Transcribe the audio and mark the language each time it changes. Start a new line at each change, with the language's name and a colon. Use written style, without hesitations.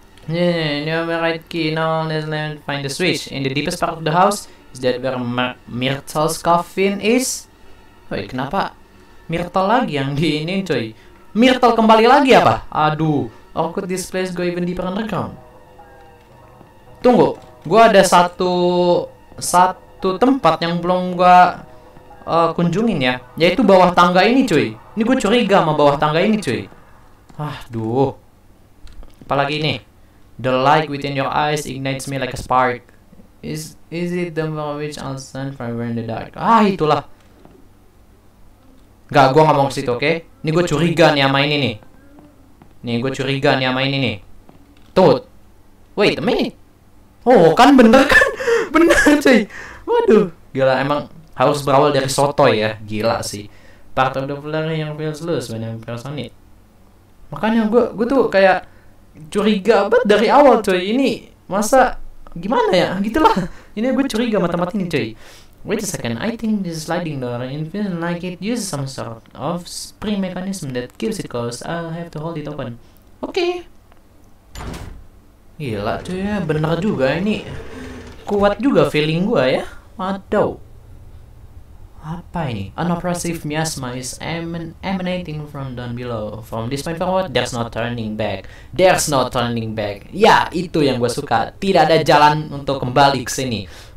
Indonesian: Ini
English: the right key. Now let's find the switch in the deepest part of the house. Is that where Myrtle's coffin is?
Indonesian: Woi, kenapa Myrtle lagi yang di ini, cuy? Myrtle kembali lagi apa? Aduh,
English: or could this place go even deeper underground?
Indonesian: Tunggu, gua ada satu tempat yang belum gua kunjungin ya. Yaitu bawah tangga ini, cuy. Ini gua curiga sama bawah tangga ini, cuy. Aduh. Apalagi ini?
English: The light within your eyes ignites me like a spark. Is it the one which I'll stand forever in the dark?
Indonesian: Ah, itulah. Enggak, gua ngomong ke situ, oke? Okay? Ini gua curiga nih sama ini nih. Tut.
English: Wait a minute.
Indonesian: Oh, kan bener kan? Bener, cuy. Waduh. Gila, emang harus berawal dari soto ya. Gila sih.
English: Part of the floor yang feels loose when I'm pressed on it.
Indonesian: Makanya gua tuh kayak curiga banget dari awal, cuy. Ini masa gimana ya? Gitulah. Ini gue curiga sama tempat ini, cuy.
English: Wait a second, I think this sliding door, it feels like it uses some sort of spring mechanism that keeps it closed. I'll have to hold it open. Oke. Okay.
Indonesian: Gila, cuy. Bener juga ini. Kuat juga feeling gue ya. Waduh. Apa ini?
English: An oppressive miasma is emanating from down below. From this point forward, there's no turning back.
Indonesian: Ya, itu yang gue suka. Tidak ada jalan untuk kembali ke sini.